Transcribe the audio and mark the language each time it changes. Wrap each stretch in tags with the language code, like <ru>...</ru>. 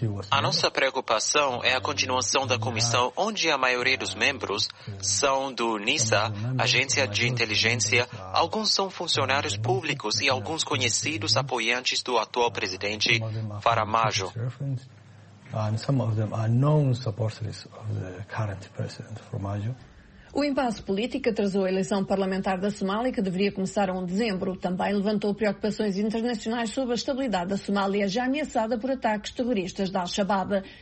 <pt>A nossa preocupação é a continuação da comissão, onde a maioria dos membros são do NISA, Agência de Inteligência, alguns são funcionários públicos e alguns conhecidos apoiantes do atual presidente Farmaajo.</pt> <en>And some of them are known supporters of the current president Farmaajo.</en> <pt>O impasse político atrasou a eleição parlamentar da Somália, que deveria começar em dezembro. Também levantou preocupações internacionais sobre a estabilidade da Somália, já ameaçada por ataques terroristas da Al-Shabaab.</pt>